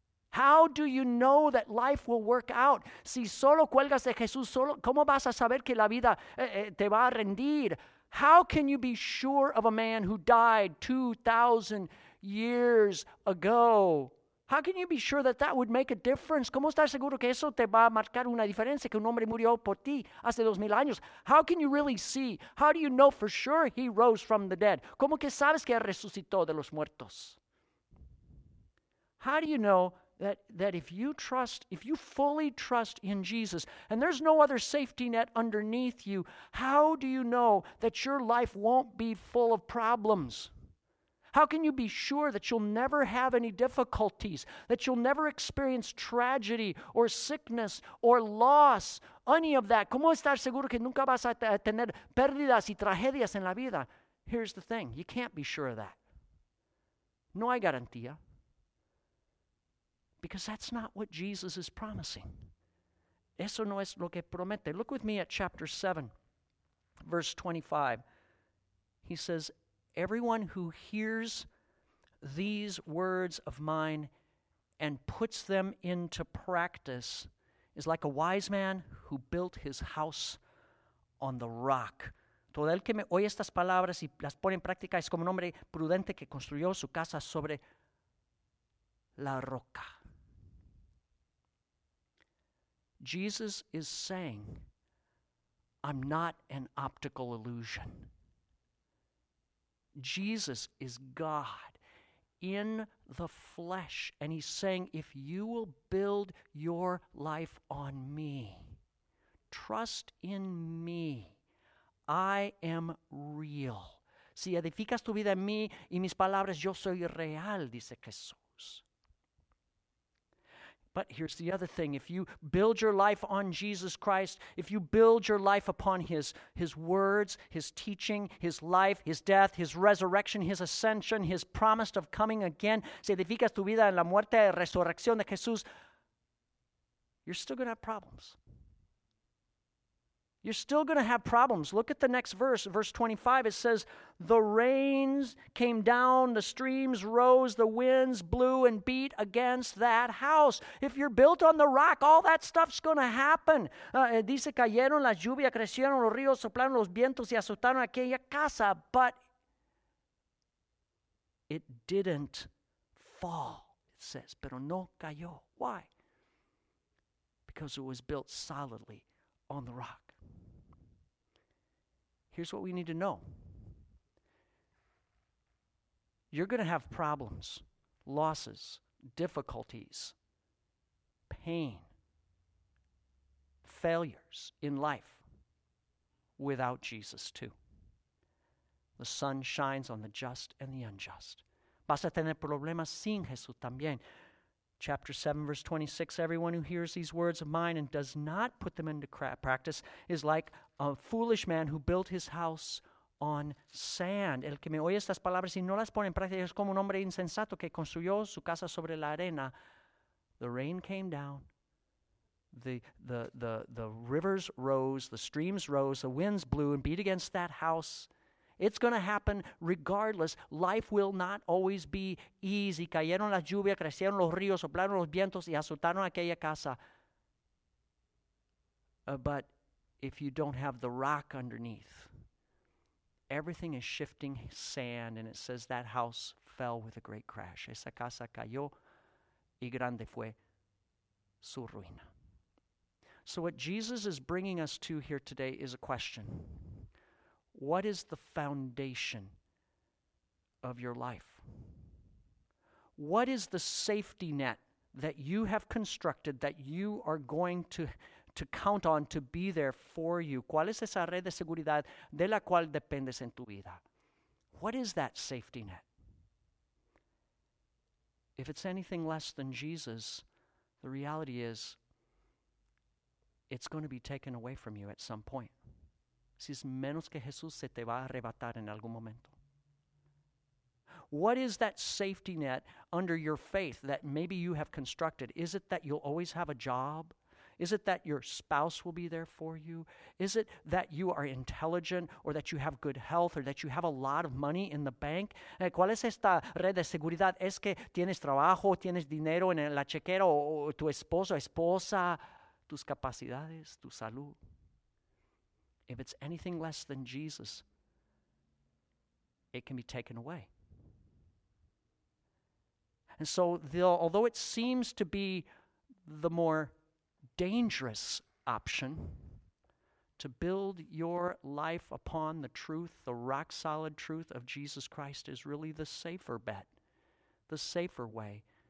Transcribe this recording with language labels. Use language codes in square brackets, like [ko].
[en] How do you know that life will work out? [es] Si solo cuelgas de Jesús, solo, ¿cómo vas a saber que la vida te va a rendir? [en] How can you be sure of a man who died 2,000 years ago? How can you be sure that that would make a difference? [es] ¿Cómo estás seguro que eso te va a marcar una diferencia, que un hombre murió por ti hace 2,000 años? [en] How can you really see? How do you know for sure he rose from the dead? [es] ¿Cómo que sabes que resucitó de los muertos? [en] How do you know that if you trust, if you fully trust in Jesus, and there's no other safety net underneath you, how do you know that your life won't be full of problems? How can you be sure that you'll never have any difficulties, that you'll never experience tragedy or sickness or loss, any of that? [es] ¿Cómo estar seguro que nunca vas a tener pérdidas y tragedias en la vida? [en] Here's the thing, you can't be sure of that. [es] No hay garantía. [en] Because that's not what Jesus is promising. [es] Eso no es lo que promete. [en] Look with me at chapter 7, verse 25. He says, everyone who hears these words of mine and puts them into practice is like a wise man who built his house on the rock. [es] Todo el que me oye estas palabras y las pone en práctica es como un hombre prudente que construyó su casa sobre la roca. [en] Jesus is saying, I'm not an optical illusion. Jesus is God in the flesh. And he's saying, if you will build your life on me, trust in me. I am real. [es] Si edificas tu vida en mí y mis palabras, yo soy real, dice Jesús. [en] But here's the other thing. If you build your life on Jesus Christ, if you build your life upon his words, his teaching, his life, his death, his resurrection, his ascension, his promise of coming again, [es] si edificas tu vida en la muerte y resurrección de Jesús, [en] you're still going to have problems. You're still going to have problems. Look at the next verse, verse 25. It says, the rains came down, the streams rose, the winds blew and beat against that house. If you're built on the rock, all that stuff's going to happen. [es] Dice, cayeron las lluvias, crecieron los ríos, soplaron los vientos y azotaron aquella casa. [en] But it didn't fall, it says. [es] Pero no cayó. [en] Why? Because it was built solidly on the rock. Here's what we need to know. You're going to have problems, losses, difficulties, pain, failures in life without Jesus too. The sun shines on the just and the unjust. [es] Vas a tener problemas sin Jesús también. [en] Chapter 7, verse 26, everyone who hears these words of mine and does not put them into practice is like a foolish man who built his house on sand. [es] El que me oye estas palabras y no las pone en práctica es como un hombre insensato que construyó su casa sobre la arena. [en] The rain came down, the rivers rose, the streams rose, the winds blew and beat against that house. It's going to happen regardless. Life will not always be easy. [es] Cayeron las lluvias, crecieron los ríos, soplaron los vientos y azotaron aquella casa. [en] But if you don't have the rock underneath, everything is shifting sand, and it says that house fell with a great crash. [es] Esa casa cayó y grande fue su ruina. [en] So what Jesus is bringing us to here today is a question. What is the foundation of your life? What is the safety net that you have constructed that you are going to count on to be there for you? [es] ¿Cuál es esa red de seguridad de la cual dependes en tu vida? [en] What is that safety net? If it's anything less than Jesus, the reality is it's going to be taken away from you at some point. [es] Si es menos que Jesús, se te va a arrebatar en algún momento. [en] What is that safety net under your faith that maybe you have constructed? Is it that you'll always have a job? Is it that your spouse will be there for you? Is it that you are intelligent or that you have good health or that you have a lot of money in the bank? [es] ¿Cuál es esta red de seguridad? ¿Es que tienes trabajo, tienes dinero en la chequera o tu esposo, esposa, tus capacidades, tu salud? [en] If it's anything less than Jesus, it can be taken away. And so, although it seems to be the more dangerous option to build your life upon the truth, the rock-solid truth of Jesus Christ is really the safer bet, the safer way.